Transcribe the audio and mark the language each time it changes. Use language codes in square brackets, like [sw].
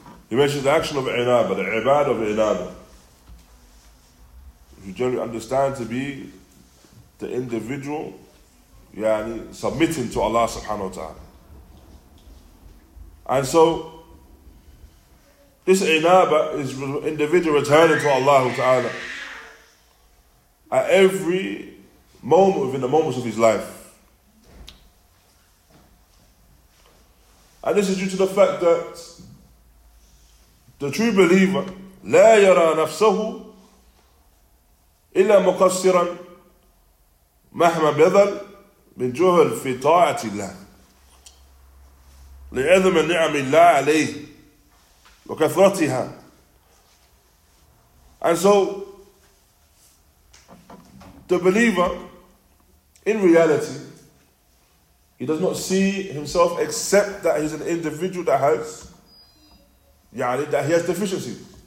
[en] He mentioned the action of Inābah, the ibad of Inābah, which you generally understand to be the individual yani, submitting to Allah subhanahu wa ta'ala. And so, this Inābah is individual returning to Allah ta'ala at every moment within the moments of his life. And this is due to the fact that the true believer [ar] لا يرى نفسه إلا مقصرا مهما بذل من جهل في طاعة الله لعظم نعم الله عليه وكثرتها. [en] And so the believer, in reality, he does not see himself except that he's an individual that has deficiencies.